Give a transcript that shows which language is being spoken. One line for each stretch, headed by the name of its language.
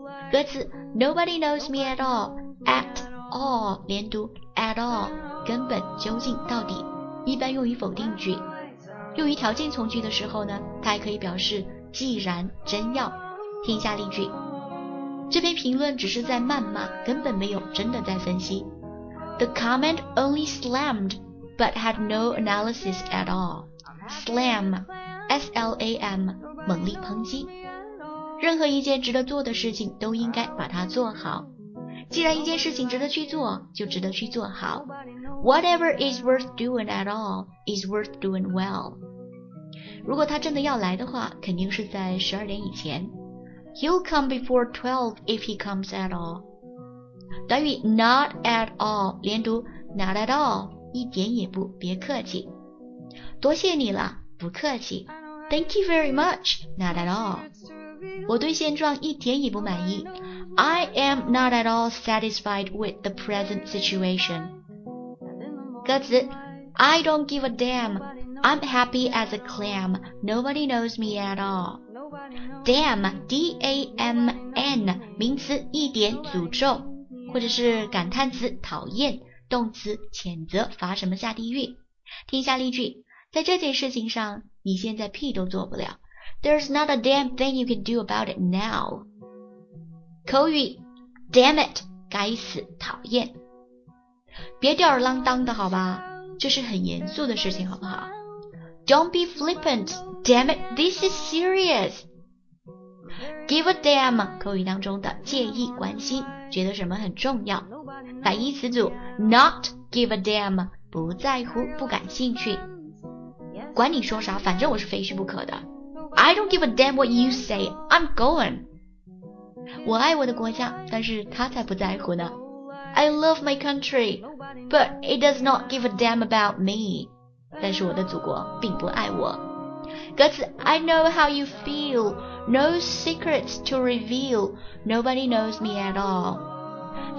Chinese: 歌词
English: Nobody knows me at all at all，
Chinese: 连读at all， 根本、究竟、到底，一般用于否定句。用于条件从句的时候呢，它还可以表示既然、真要。听一下例句：这篇评论只是在谩骂，根本没有真的在分析。
English: The comment only slammed, but had no analysis at all. Slam, S-L-A-M,
Chinese: 猛力抨击。任何一件值得做的事情，都应该把它做好。既然一件事情值得去做，就值得去做好。
English: Whatever is worth doing at all is worth doing well.
Chinese: 如果他真的要来的话，肯定是在12点以前。
English: He'll come before 12 if he comes at all.
Chinese: 短语
English: not at all
Chinese: 连读
English: not at all， 一点也不，别客气。
Chinese: 多谢你了，不客气。
English: Thank you very much, not at all.
Chinese: 我对现状一点也不满意。
English: I am not at all satisfied with the present situation.
Chinese: 歌词
English: I don't give a damn. I'm happy as a clam. Nobody knows me at all.
Chinese: Damn, D-A-M-N, 名词一点诅咒，或者是感叹词讨厌，动词谴责罚什么下地狱。听一下例句，在这件事情上你现在屁都做不了。
English: There's not a damn thing you can do about it now.口语 Damn it
Chinese: 该死，讨厌。别吊儿郎当的好吧，这是很严肃的事情好不好？
English: Don't be flippant, damn it, this is serious. Give a damn,
Chinese: 口语当中的介意关心，觉得什么很重要。反义词组
English: not give a damn,
Chinese: 不在乎，不感兴趣。管你说啥，反正我是非去不可的。
English: I don't give a damn what you say, I'm going.
Chinese: 我爱我的国家，但是他才不在乎呢。
English: I love my country, but it does not give a damn about me.
Chinese: 但是我的祖国并不爱我。歌词
English: I know how you feel, no secrets to reveal, nobody knows me at all.